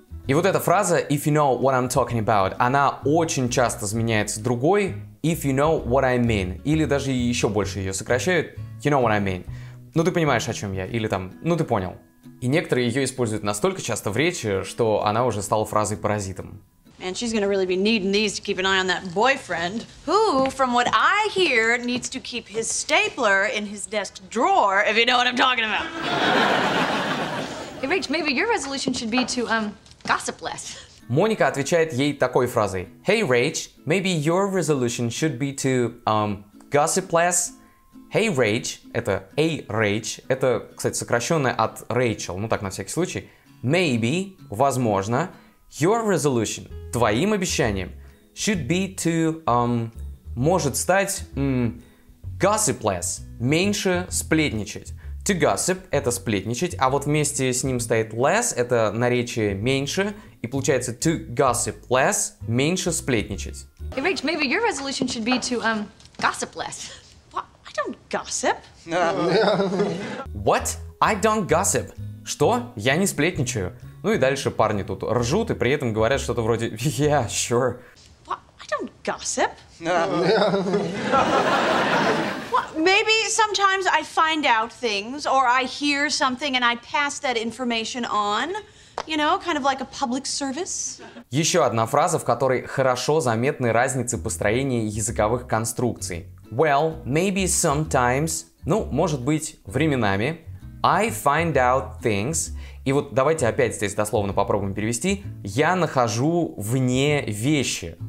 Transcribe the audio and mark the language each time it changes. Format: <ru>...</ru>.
<ru>И вот эта фраза</ru> <en>if you know what I'm talking about,</en> <ru>она очень часто заменяется другой</ru> <en>if you know what I mean.</en> <ru>Или даже еще больше ее сокращают</ru> <en>you know what I mean.</en> <ru>Ну ты понимаешь, о чем я. Или там, ну ты понял. И некоторые ее используют настолько часто в речи, что она уже стала фразой-паразитом.</ru> <en>And she's gonna really be needing these to keep an eye on that boyfriend, who, from what I hear, needs to keep his stapler in his desk drawer, if you know what I'm talking about. Hey, Rach, maybe your resolution should be to, gossip less.</en> <ru>Моника отвечает ей такой фразой.</ru> <en>Hey, Rach, maybe your resolution should be to, gossip less.</en> <ru>Hey, Rach, это Hey, Rach, это, кстати, сокращенное от Рэйчел, ну так, на всякий случай.</ru> <en>Maybe, возможно, your resolution,</en> <ru>твоим обещанием,</ru> <en>should be to,</en> <ru>может стать,</ru> <en>gossip less,</en> <ru>меньше сплетничать. To gossip – это сплетничать, а вот вместе с ним стоит less – это наречие «меньше», и получается</ru> <en>to gossip less</en> <ru>– меньше сплетничать.</ru> <en>Hey, Rach, maybe your resolution should be to gossip less. What? I don't gossip. What? I don't gossip.</en> <ru>Что? Я не сплетничаю. Ну и дальше парни тут ржут и при этом говорят что-то вроде</ru> <en>«yeah, sure». What? I don't gossip. Maybe sometimes I find out things, or I hear something, and I pass that information on. You know, kind of like a public service.</en> <ru>Еще одна фраза, в которой хорошо заметны разницы построения языковых конструкций.</ru> <en>Well, maybe sometimes,</en> <ru>ну, может быть, временами,</ru> <en>I find out things.</en> <ru>И вот давайте опять здесь дословно попробуем перевести. Я нахожу вне вещи.</ru>